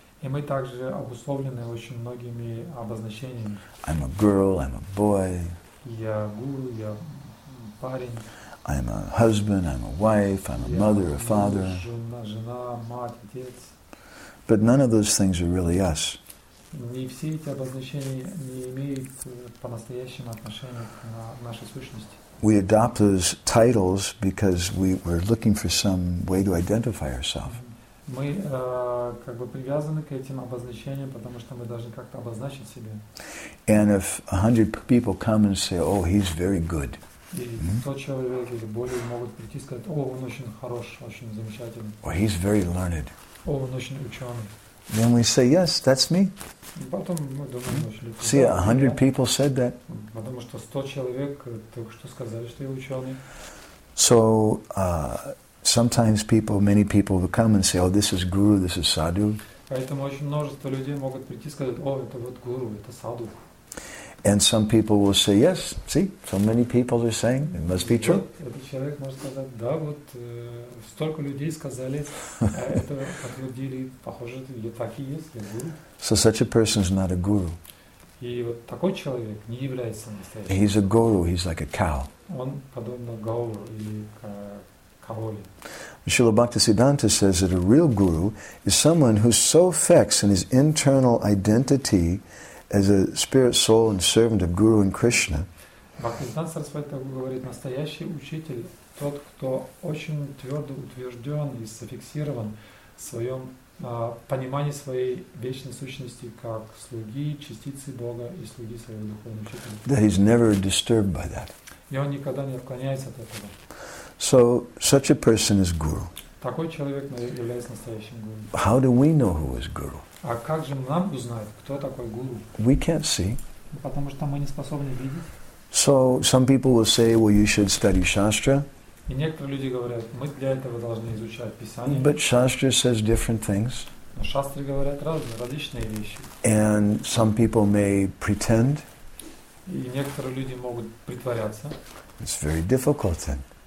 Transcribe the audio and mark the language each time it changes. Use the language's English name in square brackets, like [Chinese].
[Russian] И мы также обусловлены очень многими обозначениями. [English] I'm a girl, I'm a boy. [Russian] Я гуру, я парень. [English] I'm a husband, I'm a wife, I'm a mother, a father. [Russian] Жена, мать, отец. [English] But none of those things are really us. [Russian] Не все эти обозначения не имеют по-настоящему отношения к нашей сущности. [English] We adopt those titles because we were looking for some way to identify ourselves. [Russian] Мы как бы привязаны к этим обозначениям, потому что мы должны как-то обозначить себя. [English] And if 100 people come and say, "Oh, he's very good." [Russian] И тот человек или более могут прийти и сказать: о, он очень хорош, очень замечательный. [English] Or he's very learned. [Russian] О, он очень ученый. [English] Then we say, yes, that's me. [Russian] Потом мы думаем, [English] see, 100 people said that. [Russian] Потому что 100 человек только что сказали, что я ученый. [English] So sometimes people, many people will come and say, oh, this is guru, this is sadhu. [Russian] Поэтому очень множество людей могут прийти и сказать: о, это вот гуру, это саду. [English] And some people will say, yes, see, so many people are saying, it must be true. [Russian] Этот человек может сказать: да, вот столько людей сказали, это подтвердили, похоже, так и есть, я гуру. [English] So such a person is not a guru. [Russian] И вот такой человек не является настоящим. [English] He's a guru, he's like a cow. [Russian] Он подобно гауру или коровье. [English] Srila Bhaktisiddhanta says that a real guru is someone who so affects in his internal identity as a spirit, soul, and servant of Guru and Krishna. [Russian] Bhaktisiddhanta Sarasvati говорит, настоящий учитель тот, кто очень твердо утвержден и зафиксирован в своем понимании своей вечной сущности как слуги частицы Бога и слуги своего духовного учителя. [English] That he's never disturbed by that. [Russian] И он никогда не отклоняется от этого. [English] So such a person is guru. [Russian] Такой человек является настоящим гуру. [English] How do we know who is guru? [Russian] А как же нам узнать, кто такой гуру? [English] We can't see. [Russian] Потому что мы не способны видеть. [English] So some people will say, well, you should study shastra. [Russian] И некоторые люди говорят, мы для этого должны изучать писание. [English] But shastra says different things. [Russian] Но шастры говорят разные, различные вещи. [English] And some people may pretend. [Russian] И некоторые люди могут притворяться. [English] It's very difficult then.